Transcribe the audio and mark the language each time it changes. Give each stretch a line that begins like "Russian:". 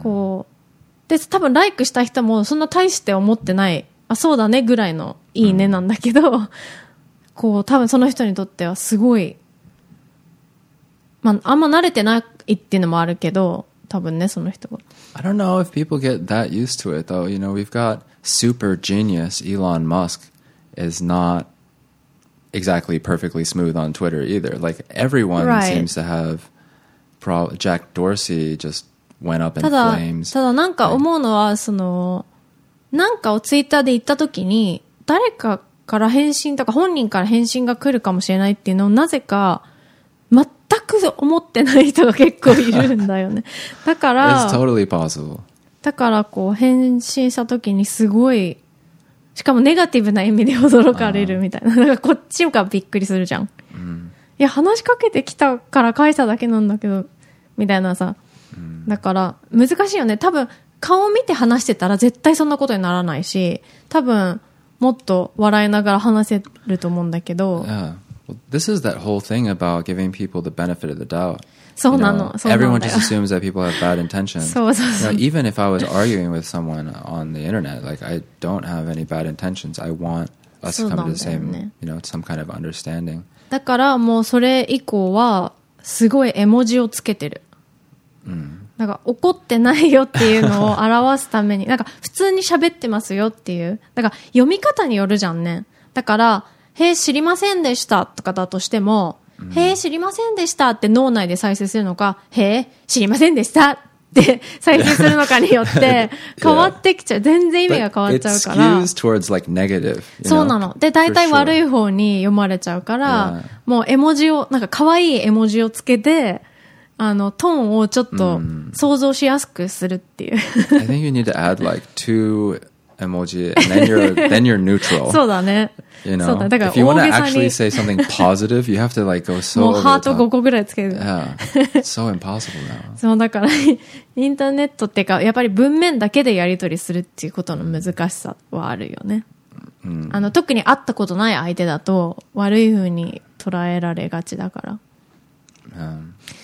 Japanese: こうで多分ライクした人もそんな大して思ってない。あそうだねぐらいのいいねなんだけど、うん、こう多分その人にとってはすごい、まあ、あんま慣れてないっていうのもあるけど、多分ねその人は。
English: I don't know if people get that used to it though. You know, we've got super genius Elon Musk is not exactly perfectly smooth on Twitter either. Like everyone、 right. seems to have Jack Dorsey just went up in flames.
Japanese: ただなんか思うのはそのなんかをツイッターで言った時に誰かから返信とか本人から返信が来るかもしれないっていうのをなぜか全く思ってない人が結構いるんだよね。だから
English: It's totally possible.
Japanese: だからこう返信した時にすごい、しかもネガティブな意味で驚かれるみたいな、なんかこっちがびっくりするじゃん、うん、いや話しかけてきたから返しただけなんだけどみたいなさ、うん、だから難しいよね。多分顔を見て話してたら絶対そんなことにならないし、多分もっと笑いながら話せると思うんだけど。
English: Yeah. Well, this is that whole thing about giving people the benefit of the doubt.
Japanese: そうなの。そうなんだよ。
English: Everyone just assumes that people have bad intentions.
Japanese: そうそうそう。
English: You know, even if I was arguing with someone on the internet, like I don't have any bad intentions. I want us to come to the same, you know, some kind of understanding.
Japanese: だからもうそれ以降はすごい絵文字をつけてる。うん。なんか怒ってないよっていうのを表すためになんか普通に喋ってますよっていう、なんか読み方によるじゃんね。だからへー知りませんでしたとかだとしても、うん、へー知りませんでしたって脳内で再生するのか、へー知りませんでしたって再生するのかによって変わってきちゃう。全然意味が変わっちゃうから。
English: It's skews towards like negative, you know?
Japanese: そうなので、大体悪い方に読まれちゃうから、もう絵文字をなんか可愛い絵文字をつけて、あのトーンをちょっと想像しやすくするっていう。
English: I think you need to add like two emoji and then you're neutral.
Japanese: そうだね。
English: You know,
Japanese: そうだ、だから
English: if you want to actually say something positive, you have to like go so over the top.
Japanese: もうハート5個ぐらいつける。
English: Yeah. So impossible now.
Japanese: そうだから、インターネットっていうかやっぱり文面だけでやり取りするっていうことの難しさはあるよね。あの特に会ったことない相手だと悪い風に捉えられがちだから。うん。